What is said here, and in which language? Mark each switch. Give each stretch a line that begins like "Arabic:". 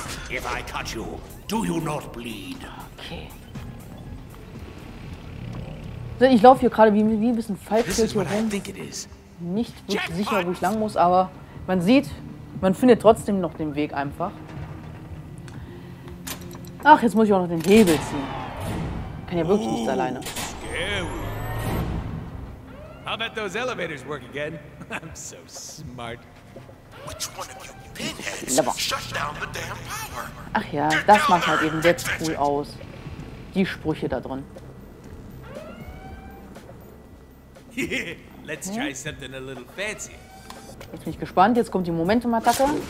English: If I cut you, do you not bleed? Okay.
German: Ich laufe hier gerade wie ein bisschen falsch hier rum. Nicht sicher, wo ich lang muss, aber man sieht, man findet trotzdem noch den Weg einfach. Ach, jetzt muss ich auch noch den Hebel ziehen. Ich kann ja wirklich nichts alleine.
English: I'll bet those elevators work again. I'm so smart. Which one of you pinheads shut down the damn power?
German: Ach ja, das macht halt eben sehr cool aus. Die Sprüche da drin.
English: Let's try something a little fancy.
German: Jetzt bin ich gespannt. Jetzt kommt die Momentum-Attacke.